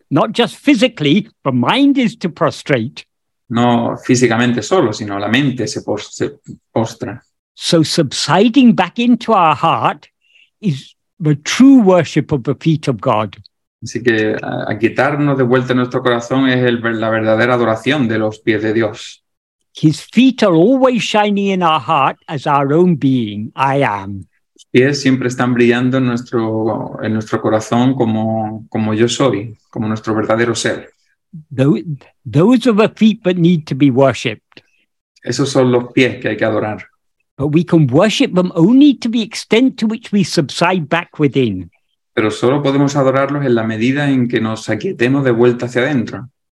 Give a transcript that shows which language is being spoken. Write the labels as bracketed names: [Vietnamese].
[English] Not just physically, the mind is to prostrate. [Spanish] No físicamente solo, sino la mente se postra. [English] So subsiding back into our heart is the true worship of the feet of God. [Spanish] Así que aquietarnos de vuelta en nuestro corazón es la verdadera adoración de los pies de Dios. [English] His feet are always shining in our heart as our own being, I am. [Spanish] Sus pies siempre están brillando en nuestro corazón como yo soy, como nuestro verdadero ser. [English] Those are the feet that need to be worshipped. [Spanish] Esos son los pies que hay que adorar. [English] But we can worship them only to the extent to which we subside back within. [Spanish] Pero solo podemos adorarlos en la medida en que nos aquietemos de vuelta hacia adentro.